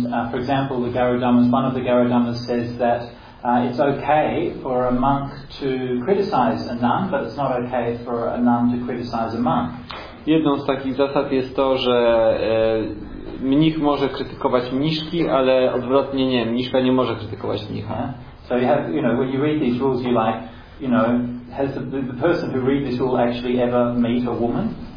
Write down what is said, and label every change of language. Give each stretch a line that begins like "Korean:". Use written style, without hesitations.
English: For example, the Garudamas, one of the Garudamas says that it's okay for a monk to criticize a nun, but it's not okay for a nun to criticize a monk.
Polish: Jedną z takich zasad jest to, że mnich może krytykować mniszki, ale odwrotnie nie, mniszka nie może krytykować mnicha.
English: Yeah. So you have, you know, when you read these rules, you like, you know, has the person who read this rule actually ever meet a woman?